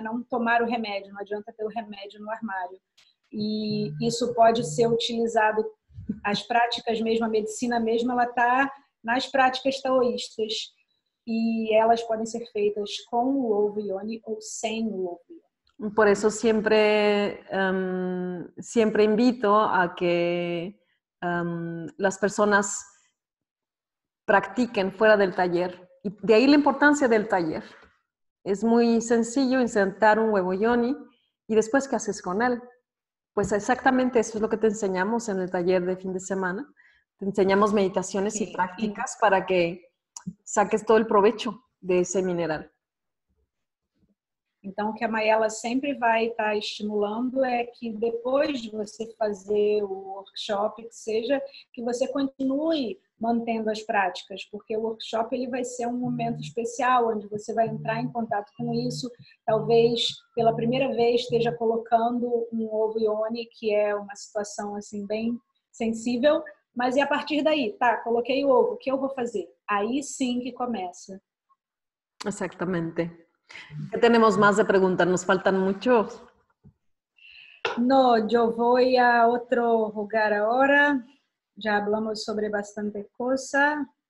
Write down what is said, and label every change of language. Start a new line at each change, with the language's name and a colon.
Portuguese: Não tomar o remédio, não adianta ter o remédio no armário. E isso pode ser utilizado, as práticas mesmo, a medicina mesmo, ela está nas práticas taoístas. E elas podem ser feitas com o ovo Yoni ou sem o ovo Yoni.
Spanish: Por eso siempre, siempre invito a que las personas practiquen fuera del taller. Y de ahí la importancia del taller. Es muy sencillo insertar un huevo yoni y después, ¿qué haces con él? Pues exactamente eso es lo que te enseñamos en el taller de fin de semana. Te enseñamos meditaciones y prácticas para que saques todo el provecho de ese mineral.
Portuguese: Então, o que a Mayela sempre vai estar estimulando é que depois de você fazer o workshop, que seja, que você continue mantendo as práticas, porque o workshop ele vai ser um momento especial, onde você vai entrar em contato com isso, talvez pela primeira vez esteja colocando um ovo Yoni, que é uma situação assim, bem sensível, mas e a partir daí? Tá, coloquei o ovo, o que eu vou fazer? Aí sim que começa. Exatamente.
Spanish: ¿Qué tenemos más de preguntas? ¿Nos faltan muchos? No, yo voy a otro lugar ahora. Ya hablamos sobre bastante cosas.